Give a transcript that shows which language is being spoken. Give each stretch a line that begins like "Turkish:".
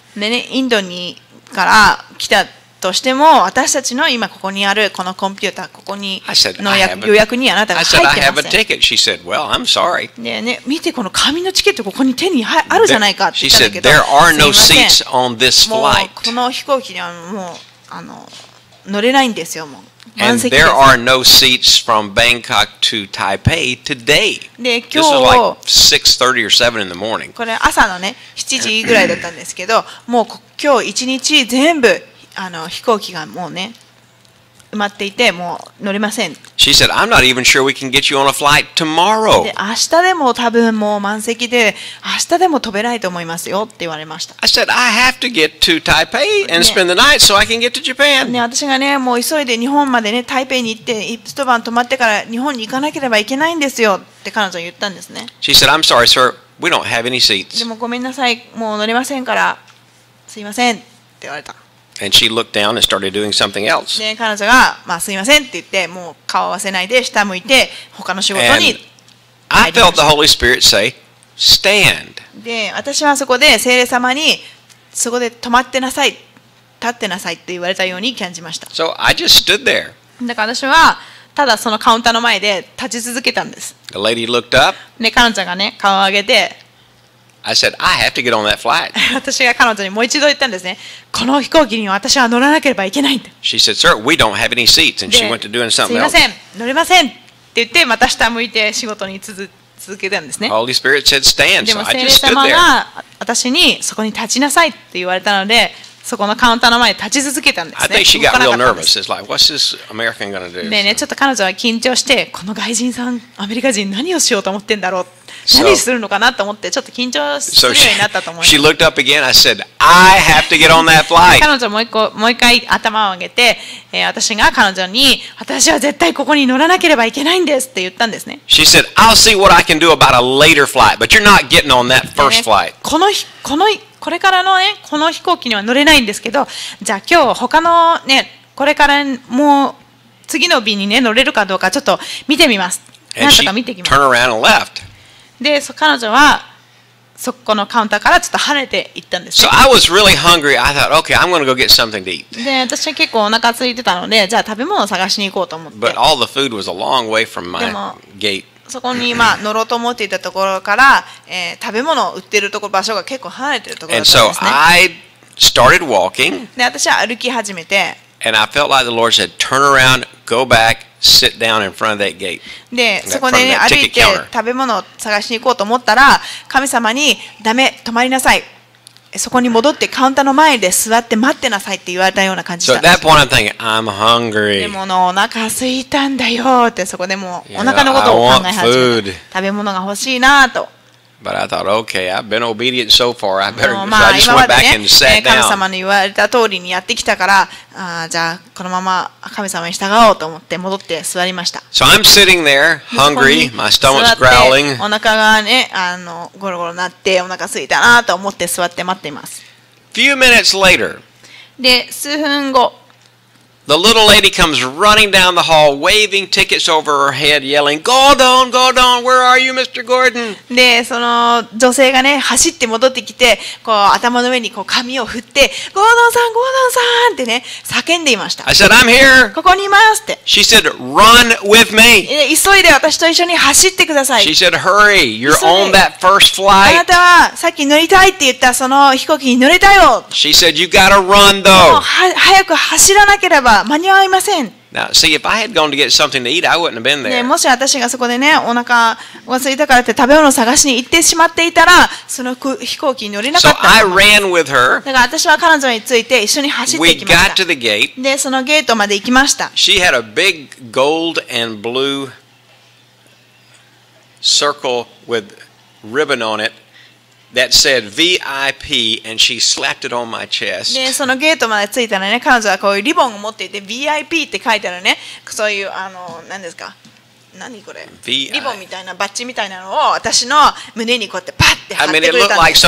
Japanese: でね、インドにから来た。としても私たちの今ここにあるこのコンピューターここにの予約にあなたが入ってません。
English: I said, "I have a ticket." She said, "Well, I'm sorry."
Japanese: ねえねえ、見てこの紙のチケットここに手にあるじゃないかって言ったけど、すいません。もうこの飛行機にはもうあの乗れないんですよ、もう満席です。
English: There are no seats from Bangkok to Taipei today.
Japanese: で、今日
English: This is like 6:30 or 7 in the morning.
Japanese: これ朝のね7時ぐらいだったんですけど、もう今日1日全部あの飛行機がもうね埋まっていてもう乗れません。
English: She said, "I'm not even sure we can get you on a flight tomorrow."
Japanese: で、明日でも多分もう満席で明日でも飛べないと思いますよって言われました。
English: I said, "I have to get to Taipei and spend the night so I can get to Japan."
Japanese: ね、私がねもう急いで日本までね台北に行って一晩泊まってから日本に行かなければいけないんですよって彼女は言ったんですね。
English: She said, "I'm sorry, sir. We don't have any seats."
Japanese: でもごめんなさい、もう乗れませんからすいませんって言われた。
English: And she looked down and started doing something else.
Japanese: ね、彼女が、まあ、すいませんって言って、もう顔合わせないで下向いて他の仕事に入りました
English: And I felt the Holy Spirit say, "Stand."
Japanese: で、私はそこで聖霊様にそこで止まってなさい、立ってなさいって言われたように感じました。
English: So I just stood there.
Japanese: だから私はただそのカウンターの前で立ち続けたんです。
English: The lady looked up.
Japanese: ね、彼女がね、顔を上げて、
English: I said, "I have to get on that flight."
Japanese: 私が彼女にもう一度言ったんですね。この飛行機には私は乗らなければいけないんだ。
English: She said, "Sir, we don't have any seats." And she went to doing something else.
Japanese: すいません、乗れませんって言ってまた下向いて仕事に続けたんですね。
English: Holy Spirit said, "Stand."
Japanese: でも聖霊様が私にそこに立ちなさいって言われたので、そこのカウンターの前に立ち続けたんですね。
English: I think she got real nervous. It's like, "What's this American going to do?"
Japanese: ねえね、ちょっと彼女は緊張して、この外人さん、アメリカ人何をしようと思ってんだろう。何するのかなと思ってちょっと緊張するようになったと思います。
English: She looked up again. I said, "I have to get on that flight."
Japanese: 彼女はもう一回頭を上げて、私が彼女に私は絶対ここに乗らなければいけないんですって言ったんですね。
English: She said, "I'll see what I can do about a later flight, but you're not getting on that first flight."
Japanese: これからのねこの飛行機には乗れないんですけど、じゃあ今日他のねこれからもう次の便にね乗れるかどうかちょっと見てみます。
English: And
Japanese: なんとか見てきます。
English: Turn around and left.
Japanese: で、彼女はそこのカウンターからちょっと跳ねて行ったんです。
English: So I was really hungry. I thought, "Okay, I'm going to go get something to eat."
Japanese: で、私は結構お腹空いてたので、じゃあ食べ物を探しに行こうと思って。
English: But all the food was a long way from my gate.
Japanese: そこに今乗ろうと思っていたところから、食べ物を売ってるところ場所が結構離れてるところだったんですね。
English: And so I started walking.
Japanese: で、私は歩き始めて。
English: And I felt like the Lord said, "Turn around, go back. Sit down in front of that gate."
Japanese: で、そこで、ね、歩いて食べ物を探しに行こうと思ったら、神様にダメ、止まりなさい。そこに戻ってカウンターの前で座って待ってなさいって言われたような感じだった。
English: So at that point, I'm thinking, "I'm hungry."
Japanese: でもお腹空いたんだよってそこでもうお腹のことを考え始めた。
English: You know, I want food.
Japanese: 食べ物が欲しいなと。
English: But I thought, "Okay, I've been obedient so far. I better." So I just went back and sat down.
Japanese: 神様に言われた通りにやってきたから、じゃあこのまま神様に従おうと思って戻って座りました。
English: So I'm sitting there, hungry. My stomach's growling.
Japanese: お腹がね、ゴロゴロなってお腹空いたなと思って座って待っています。
English: Few minutes later.
Japanese: で、数分後。
English: The little lady comes running down the hall, waving tickets over her head, yelling, "Gordon, Gordon, where are you, Mr. Gordon?"
Japanese: で、その女性がね、走って戻ってきて、こう頭の上にこう髪を振って、Gordon さん、Gordon さんってね、叫んでいました。
English: I said, "I'm here."
Japanese: ここにいますって。
English: She said, "Run with me."
Japanese: 急いで私と一緒に走ってください。
English: She said, "Hurry, you're on that first flight."
Japanese: あなたはさっき乗りたいって言ったその飛行機に乗れたよ。
English: She said, "You gotta run though."
Japanese: もう早く走らなければ。間に合いません。
English: Now, see, if I had gone to get something to eat, I wouldn't have been there.
Japanese: もし私がそこでね、お腹が空いたからって食べ物を探しに行ってしまっていたら、その飛行機に乗れなかった。
English: So I ran with her.
Japanese: だから私は彼女について一緒に走っていきました。
English: We got to the gate.
Japanese: で、そのゲートまで行きました。
English: She had a big gold and blue circle with ribbon on it. That said VIP, and she slapped it on my chest.
Japanese: で、そのゲートまで着いたらね、彼女はこういうリボンを持っていて、VIP って書いたらね、そういう、何ですか？何これ？リボンみたいな、バッチみたいなのを私の胸にこうやってパッって貼ってくれたんです。